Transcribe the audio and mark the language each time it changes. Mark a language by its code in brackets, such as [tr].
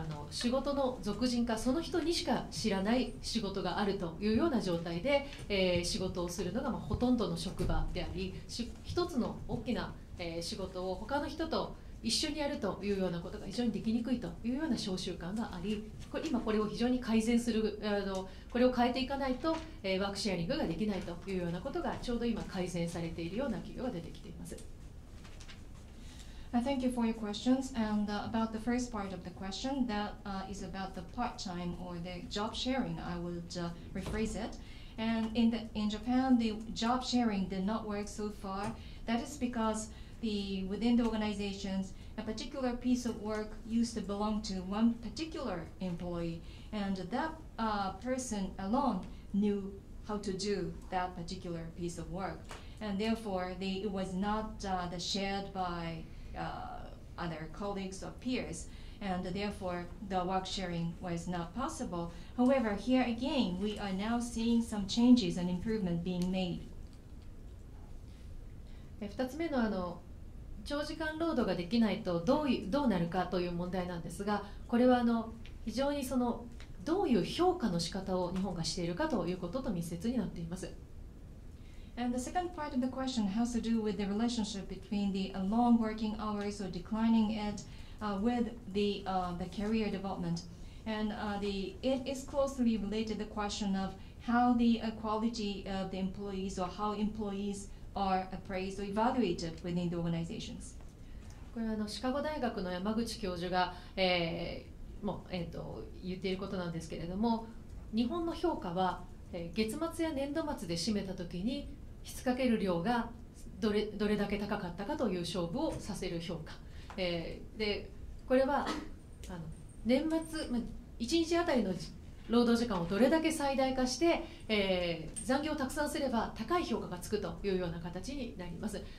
[ja] 仕事の属人化、その人にしか知らない仕事があるというような状態で、仕事をするのが、まあ、ほとんどの職場であり、一つの大きな、仕事を他の人と一緒にやるというようなことが非常にできにくいというような小習慣があり、今これを非常に改善する、これを変えていかないと、ワークシェアリングができないというようなことがちょうど今改善されているような企業が出てきています。 [en] Thank you for your questions. And about the first part of the question, that is about the part-time or the job sharing, I would rephrase it. And in Japan, the job sharing did not work so far. That is because within the organizations, a particular piece of work used to belong to one particular employee, and that person alone knew how to do that particular piece of work. And therefore, it was not shared by other colleagues or peers, and therefore the work sharing was not possible. However, here again, we are now seeing some changes and improvement being made. [ja] 2つ目 の、 長時間労働ができないとどうなるかという問題なんですが、これは非常にどういう評価の仕方を日本がしているかということと密接になっています。 [en] And the second part of the question has to do with the relationship between the long working hours or declining it with the career development. And it is closely related to the question of how the quality of the employees or how employees are appraised or evaluated within the organizations. [ja] これはシカゴ大学の山口教授が、もう、言っていることなんですけれども、日本の評価は、月末や年度末で締めたときに引っ掛ける量がどれだけ高かったかという勝負をさせる評価、でこれは年末、まあ、1日あたりの労働時間をどれだけ最大化して、残業をたくさんすれば高い評価がつくというような形になります。